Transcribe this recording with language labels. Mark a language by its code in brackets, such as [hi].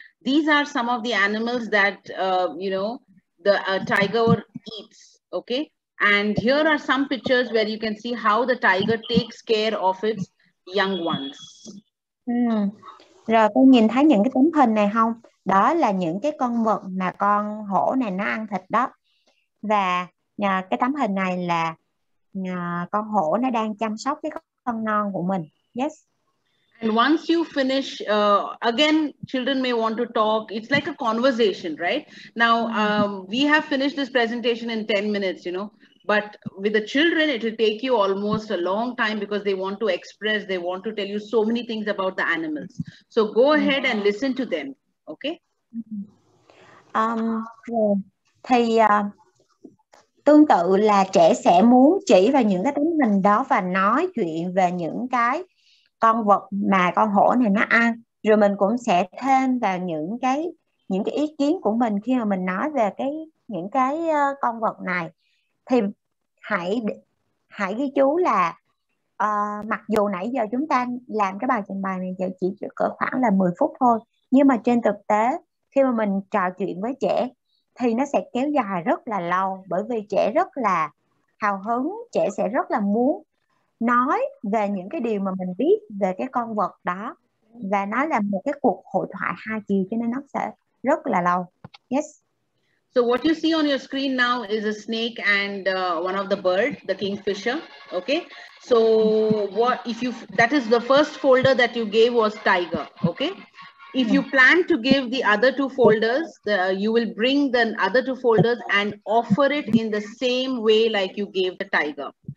[en] These are some of the animals that you know, the tiger eats. Okay. And here are some pictures where you can see how the tiger takes care of its young ones. [vi] Rồi con nhìn thấy những cái tấm hình này không? Đó là những cái con vật mà con hổ này nó ăn thịt đó. Và cái tấm hình này là con hổ nó đang chăm sóc cái con non của mình. [en] Yes. And once you finish, again, children may want to talk. It's like a conversation, right? Now, we have finished this presentation in 10 minutes, you know. But with the children, it will take you almost a long time because they want to express, they want to tell you so many things about the animals. So go ahead and listen to them, okay? [vi] Thì tương tự là trẻ sẽ muốn chỉ vào những cái tấm hình đó và nói chuyện về những cái con vật mà con hổ này nó ăn. Rồi mình cũng sẽ thêm vào những cái ý kiến của mình khi mà mình nói về những cái con vật này. Thì hãy ghi chú là mặc dù nãy giờ chúng ta làm cái bài trình bày này giờ chỉ cỡ khoảng là 10 phút thôi, nhưng mà trên thực tế khi mà mình trò chuyện với trẻ thì nó sẽ kéo dài rất là lâu, bởi vì trẻ rất là hào hứng, trẻ sẽ rất là muốn nói về những cái điều mà mình biết về cái con vật đó, và nó là một cái cuộc hội thoại hai chiều cho nên nó sẽ rất là lâu. [en] Yes. So what you see on your screen now is a snake and one of the bird, the kingfisher. Okay. So what if you, that is the first folder that you gave was tiger. Okay. If you plan to give the other two folders, you will bring the other two folders and offer it in the same way like you gave the tiger.